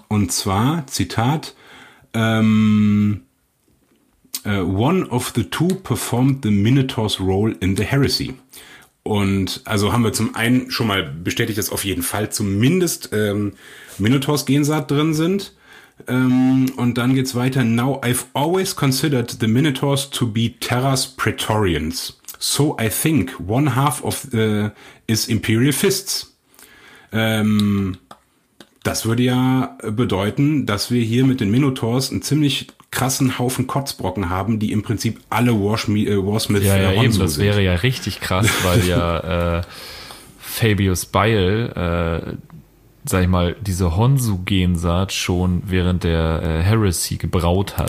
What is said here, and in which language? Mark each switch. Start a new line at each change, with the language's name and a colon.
German: Und zwar, Zitat,
English: one of the two performed the Minotaur's role in the Heresy.
German: Und also haben wir zum einen schon mal bestätigt, dass auf jeden Fall zumindest Minotaurs Gensaat drin sind. Und dann geht's weiter.
English: Now I've always considered the Minotaurs to be Terra's Praetorians. So I think one half of is Imperial Fists.
German: Das würde ja bedeuten, dass wir hier mit den Minotaurs einen ziemlich krassen Haufen Kotzbrocken haben, die im Prinzip alle Warsmith ja, Honsu eben, das sind. Wäre ja richtig krass, weil ja Fabius Beil, sag ich mal, diese Honsu-Gensaat schon während der Heresy gebraut hat.